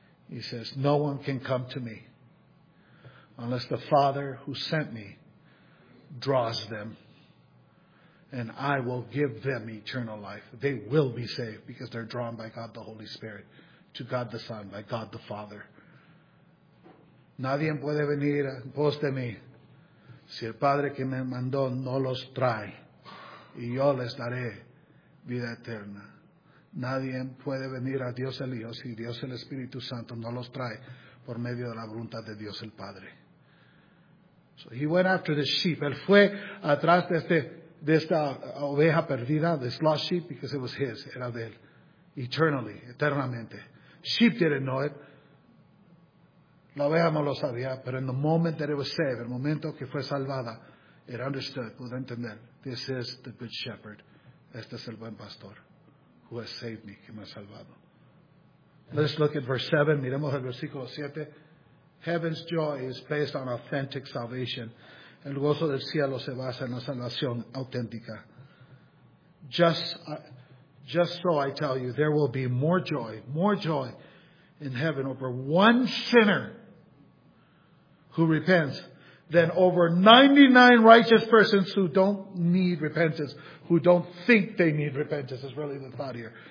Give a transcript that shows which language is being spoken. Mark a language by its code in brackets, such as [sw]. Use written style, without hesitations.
[en] He says, no one can come to me unless the Father who sent me draws them. And I will give them eternal life. They will be saved because they're drawn by God the Holy Spirit, to God the Son, by God the Father. [es] Nadie puede venir en pos de mí si el Padre que me mandó no los trae. Y yo les daré vida eterna. Nadie puede venir a Dios el Hijo si Dios el Espíritu Santo no los trae por medio de la voluntad de Dios el Padre. [en] So he went after the sheep. [es] Él fue atrás de esta oveja perdida, [en] this lost sheep, because it was his. [es] Era de él. [en] Eternally, [es] eternamente. [en] Sheep didn't know it. [es] La oveja no lo sabía, pero [en] in the moment that it was saved, [es] el momento que fue salvada, [en] it understood, [es] pudo entender. [en] This is the good shepherd. [es] Este es el buen pastor [en] who has saved me, [es] que me ha salvado. [en] Let's look at verse 7. [es] Miremos el versículo 7. [en] Heaven's joy is based on authentic salvation. [es] El gozo del cielo se basa en la salvación auténtica. [en] Just so I tell you, there will be more joy in heaven over one sinner who repents than over 99 righteous persons who don't need repentance, who don't think they need repentance, is really the thought here.